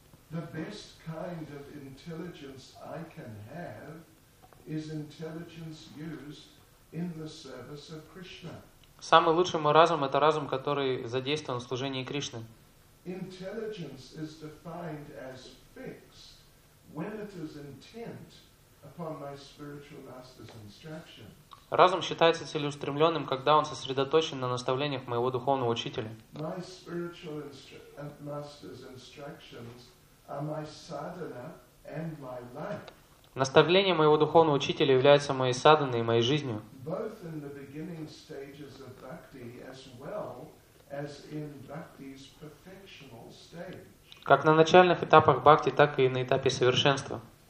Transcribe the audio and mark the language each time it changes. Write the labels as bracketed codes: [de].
[en] The best kind of intelligence I can have is intelligence used in the service of Krishna. [ru] Самый лучший мой разум — это разум, который задействован в служении Кришны. [en] Intelligence is defined as fixed when it is intent upon my spiritual master's instruction. [ru] Разум считается целеустремленным, когда он сосредоточен на наставлениях моего духовного учителя. [en] My spiritual master's instructions are my sadhana and my life. [ru] Наставления моего духовного учителя являются моей садханой и моей жизнью. [en] Both in the beginning stages of bhakti as well as in bhakti's perfectional stage. [ru] Как на начальных этапах бхакти, так и на этапе совершенства.